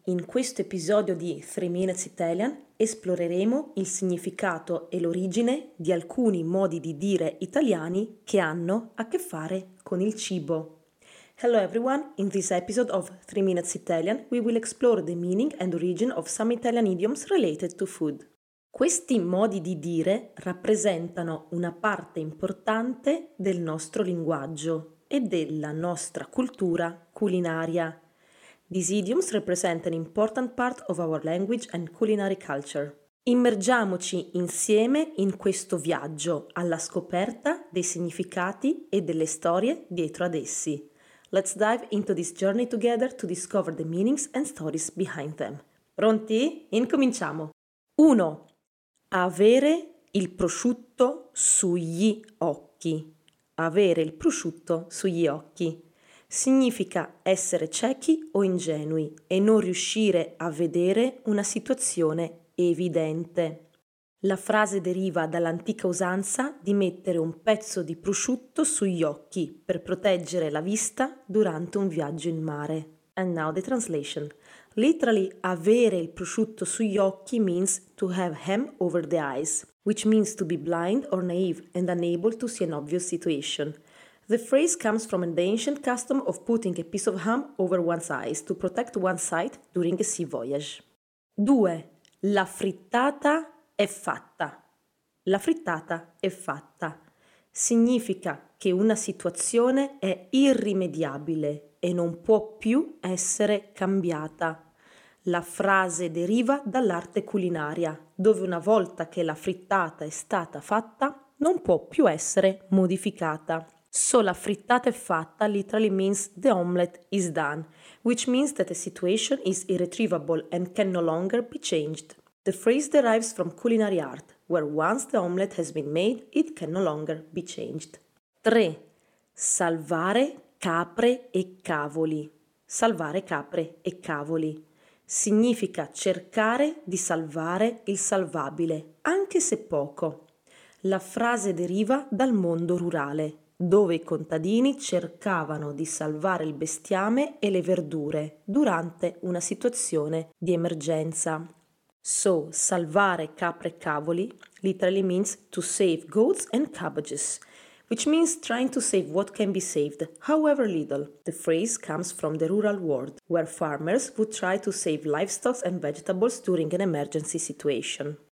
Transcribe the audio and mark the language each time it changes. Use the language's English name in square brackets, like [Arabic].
[Italian] In questo episodio di 3 Minutes Italian esploreremo il significato e l'origine di alcuni modi di dire italiani che hanno a che fare con il cibo. [English] Hello everyone! In this episode of 3 Minutes Italian we will explore the meaning and origin of some Italian idioms related to food. [Italian] Questi modi di dire rappresentano una parte importante del nostro linguaggio e della nostra cultura culinaria. [English] These idioms represent an important part of our language and culinary culture. [Italian] Immergiamoci insieme in questo viaggio alla scoperta dei significati e delle storie dietro ad essi. [English] Let's dive into this journey together to discover the meanings and stories behind them. [Italian] Pronti? Incominciamo! 1. Avere il prosciutto sugli occhi. Avere il prosciutto sugli occhi. Significa essere ciechi o ingenui e non riuscire a vedere una situazione evidente. La frase deriva dall'antica usanza di mettere un pezzo di prosciutto sugli occhi per proteggere la vista durante un viaggio in mare. [English] And now the translation. Literally, [Italian] avere il prosciutto sugli occhi [English] means to have ham over the eyes, which means to be blind or naive and unable to see an obvious situation. The phrase comes from the ancient custom of putting a piece of ham over one's eyes to protect one's sight during a sea voyage. 2. [Italian] La frittata è fatta. La frittata è fatta. Significa che una situazione è irrimediabile e non può più essere cambiata. La frase deriva dall'arte culinaria, dove una volta che la frittata è stata fatta, non può più essere modificata. [English] So [Italian] la frittata è fatta [English] literally means the omelette is done, which means that a situation is irretrievable and can no longer be changed. The phrase derives from culinary art, where once the omelette has been made, it can no longer be changed. [Italian] 3. Salvare capre e cavoli. Salvare capre e cavoli. Significa cercare di salvare il salvabile, anche se poco. La frase deriva dal mondo rurale, dove i contadini cercavano di salvare il bestiame e le verdure durante una situazione di emergenza. [English] So, [Italian] salvare capre e cavoli [English] literally means to save goats and cabbages, which means trying to save what can be saved, however little. The phrase comes from the rural world, where farmers would try to save livestock and vegetables during an emergency situation.